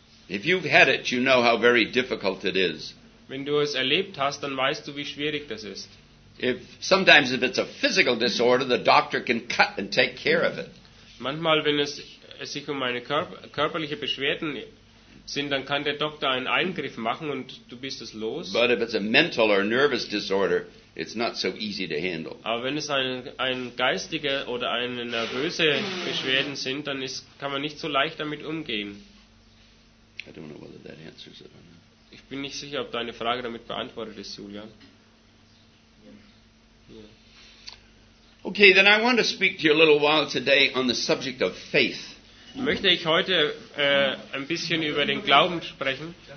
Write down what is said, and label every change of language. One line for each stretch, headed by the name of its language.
English: If you've had it, you know how very difficult it is.
German: Wenn du es erlebt hast, dann weißt du, wie schwierig das ist.
English: Sometimes if it's a physical disorder, the doctor can cut and take care of it.
German: Manchmal, wenn es sich um eine körperliche Beschwerden sind, dann kann der Doktor einen Eingriff machen und du bist es los.
English: But if it's a mental or nervous disorder, it's not so easy to handle.
German: Aber wenn es ein geistiger oder eine nervöse Beschwerden sind, dann kann man nicht so leicht damit umgehen.
English: I don't know whether that answers it or not.
German: Ich bin nicht sicher, ob deine Frage damit beantwortet ist, Julian.
English: Okay, then I want to speak to you a little while today on the subject of faith.
German: Möchte ich heute ein bisschen über den Glauben sprechen?